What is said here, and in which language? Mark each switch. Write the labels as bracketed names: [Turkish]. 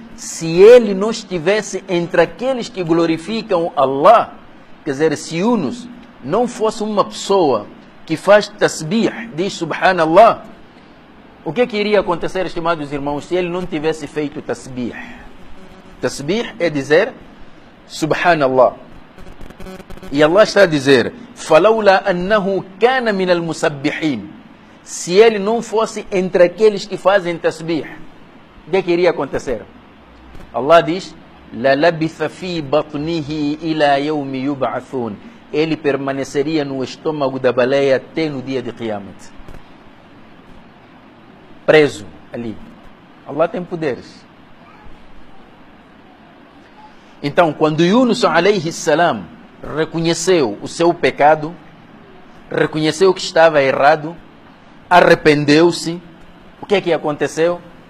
[Portuguese] Se ele não estivesse entre aqueles que glorificam Allah, quer dizer, se Yunus não fosse uma pessoa que faz tasbih, diz subhanallah, o que iria acontecer, estimados irmãos, se ele não tivesse feito tasbih? Tasbih é dizer subhanallah. E Allah está a dizer, [Arabic] falawla annahu kana minal musabbihin. [Portuguese] Se ele não fosse entre aqueles que fazem tasbih, o que iria acontecer? Allah diz, [Arabic] لَلَبِثَ فِي بَطْنِهِ إِلَىٰ يَوْمِ يُبْعَثُونَ. [Portuguese] Ele permaneceria no estômago da baleia até no dia de Qiyamah. Preso ali. Allah tem poderes. Então, quando Yunus alayhi salam reconheceu o seu pecado, reconheceu que estava errado, arrependeu-se, o que é que aconteceu?